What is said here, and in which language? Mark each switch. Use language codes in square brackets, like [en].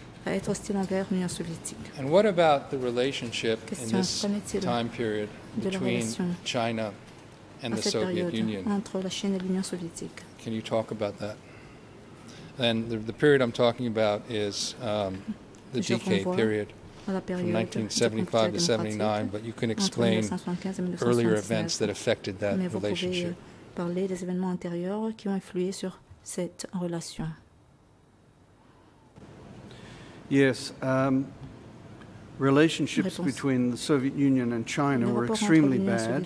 [en] And what about the relationship in this time period between China and the Soviet Union? [fr] Entre la Chine et l'Union soviétique. [en] Can you talk about that? And the period I'm talking about is the DK period, [fr] à la [en] from 1975 to 79, but you can explain earlier events that affected that [fr] mais vous [en] relationship. [fr] Pouvez parler des événements antérieurs qui ont influé sur cette relation. [en] Yes. Relationships between the Soviet Union and China were extremely bad.